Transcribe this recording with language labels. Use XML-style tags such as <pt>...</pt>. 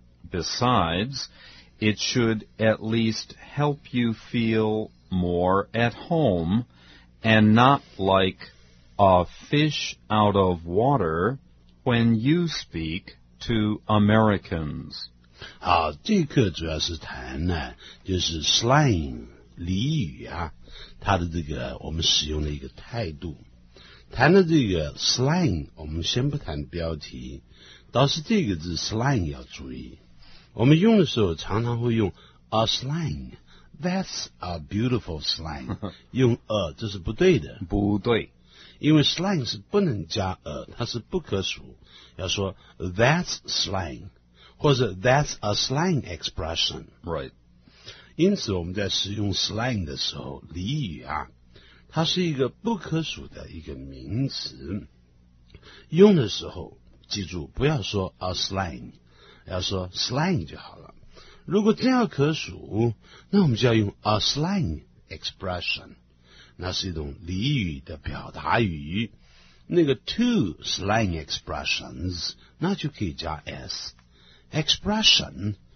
<en>Besides, it should at least help you feel more at home and not like a fish out of water when you speak to Americans.</en> <zh>好，这课主要是谈呢，就是 slang 俚语啊。他的这个我们使用的一个态度，谈的这个 slang， 我们先不谈标题，倒是这个字 slang 要注意。我们用的时候常常会用 a slang，</zh> <en>that's a beautiful slang，</en> <zh>用 a 这是不对的，不对，因为 slang 是不能加 a， 它是不可数，要说</zh> <en>that's slang，</en> <zh>或者</zh> <en>that's a slang expression， right。</en> <zh>因此我们在使用 slang 的时候，俚语啊，它是一个不可数的一个名词，用的时候记住不要说 a slang， 要说 slang 就好了。如果真要可数，那我们就要用</zh> <en>a slang expression，</en> <zh>那是一种俚语的表达语，那个</zh> <en>two slang expressions</en> <zh>那就可以加 s expression。</zh>